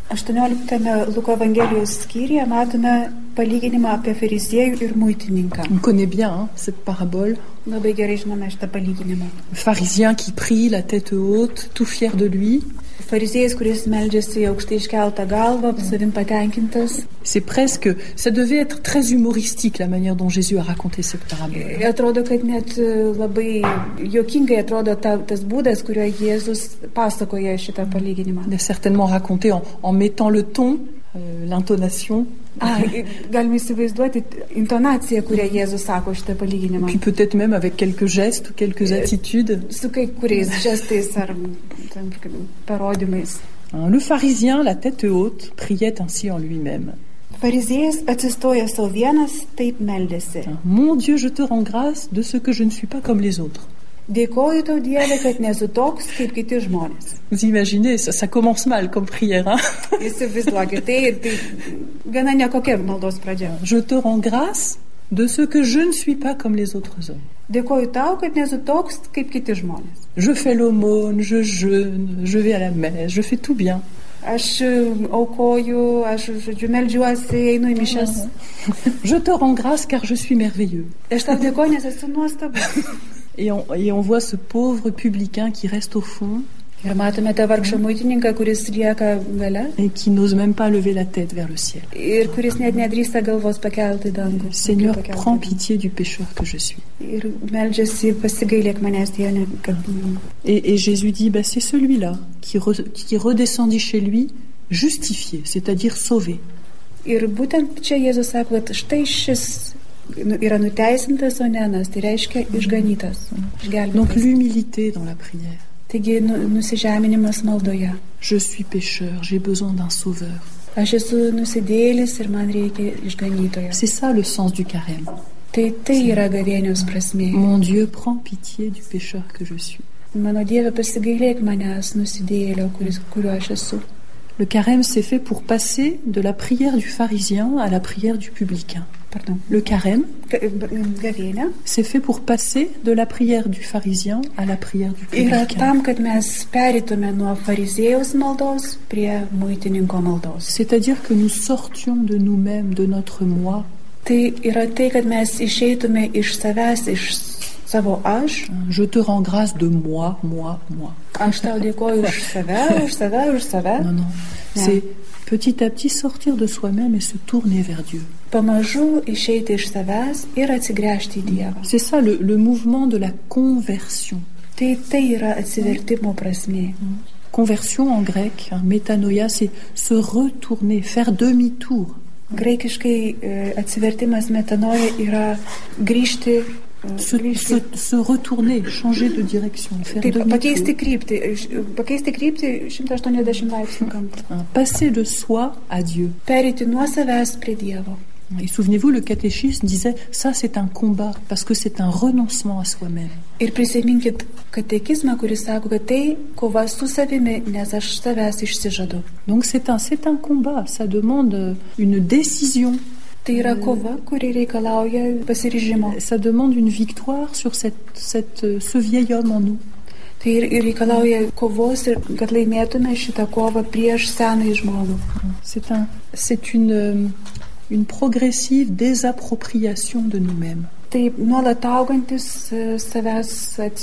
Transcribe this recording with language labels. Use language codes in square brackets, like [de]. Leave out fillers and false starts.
[lt] 18 Luko evangelijos skyriuje matome palyginimą apie fariziejų ir muitininką. [fr] On connaît bien cette parabole. [lt] Labai gerai žinome šitą palyginimą. [fr] Le pharisien qui prie la tête haute, tout fier de lui. [lt] Fariziejus, kuris meldžiasi aukštai iškeltą galvą, savim patenkintas. [fr] C'est presque, ça devait être très humoristique la manière dont Jésus a raconté cette parabole. [lt] Et atrodo, kad net labai juokingai atrodo tas būdas, kuriuo Jėzus pasakoja šitą palyginimą. [fr] Il a certainement raconté en mettant le ton, l'intonation. [lt] Galime įsivaizduoti intonaciją, kurią Jėzus sako šitą palyginimą. [fr] Puis peut-être même avec quelques gestes, quelques attitudes. [lt] Su kai kuriais gestais ar parodymais. [fr] Le pharisien, la tête haute, priait ainsi en lui-même. [lt] Fariziejas atsistoja savo vienas, taip meldėsi. [fr] Mon Dieu, je te rends grâce de ce que je ne suis pas comme les autres. [lt] Dėkoju tau Dieve, kad nesu toks kaip kiti žmonės. [fr] Vous imaginez, ça commence mal comme prière, hein? [lt] Įsivaizduokit, tai gana nekokia maldos pradžia. [fr] Je te rends grâce de ce que je ne suis pas comme les autres hommes. [lt] Dėkoju tau, kad nesu toks kaip kiti žmonės. [fr] Je fais l'aumône, je jeûne, je vais à la messe, je fais tout bien. [lt] Aš aukoju, aš meldžiuosi, einu į mišęs. [fr] Je te rends grâce car je suis merveilleux. [lt] Aš tau dėkoju, nes esu nuostabus. [fr] Et on voit ce pauvre publicain qui reste au fond. [lt] Ir matome tą vargšą muitininką, kuris lieka gale. [fr] Et qui n'ose même pas lever la tête vers le ciel. [lt] Ir kuris net nedrįsta galvos pakelti dangų. [fr] Seigneur, prends pitié du pécheur que je suis. [lt] Ir meldžiasi, pasigailėk manęs, Dieve. [fr] Et Jésus dit, bah, c'est celui-là qui redescendit chez lui, justifié, c'est-à-dire sauvé. [lt] Ir būtent čia Jėzus sako, kad štai šis yra nuteisintas, o nenas, tai reiškia išganytas, išgelbėtas. [fr] Donc l'humilité dans la prière. [lt] Taigi nusižeminimas maldoje. [fr] Je suis pécheur, j'ai besoin d'un sauveur. [lt] Aš esu nusidėlis ir man reikia išganytojo. [fr] C'est ça le sens du carême. [lt] Tai yra gavėnios prasmė. [fr] Mon Dieu, prends pitié du pécheur que je suis. [lt] Mano Dieve, pasigailėk manęs, nusidėjėlio, kuriuo aš esu. [fr] Le carême s'est fait pour passer de la prière du pharisien à la prière du publicain. Pardon. Le carême [lt] gavėnia. [fr] S'est fait pour passer de la prière du pharisien à la prière du publicain. [lt] Yra tam, kad mes perėtume nuo fariziejaus maldos prie muitininko maldos. [fr] C'est-à-dire que nous sortions de nous-mêmes, de notre moi. [lt] Tai yra tai, kad mes išeitume iš savęs, iš savo aš. [fr] Je te rends grâce de moi. [lt] Aš tau dėkoju už save, [fr] Non. C'est petit à petit sortir de soi-même et se tourner vers Dieu. [lt] Pamažu išeiti iš savęs ir atsigręžti į Dievą. [fr] C'est ça le mouvement de la conversion. [lt] Tai yra atsivertimo prasmė. [fr] Conversion en grec, hein, metanoia, c'est se retourner, faire demi-tour. [lt] Graikiškai atsivertimas metanoja yra grįžti. [fr] Se retourner, changer de direction, faire [lt] pakeisti kryptį 180 laipsnių kampu. [fr] Passer de soi à Dieu. [lt] Pereiti nuo savęs prie Dievo. [fr] Et souvenez-vous, le catéchisme disait ça, c'est un combat, parce que c'est un renoncement à soi-même. [lt] Ir prisiminkit katekizmą, kuris sako, kad tai kova su savimi, nes aš savęs išsižadu. [fr] Donc c'est un combat, ça demande une décision. [lt] Tai yra kova, kuri reikalauja pasiryžimo. [fr] Ça demande une victoire sur ce vieil homme en nous. [lt] Tai ir reikalauja kovos, kad laimėtume šitą kovą prieš senąjį žmogų. [fr] C'est une progressive désappropriation de nous-mêmes. [lt] Tai nuolat augantis savęs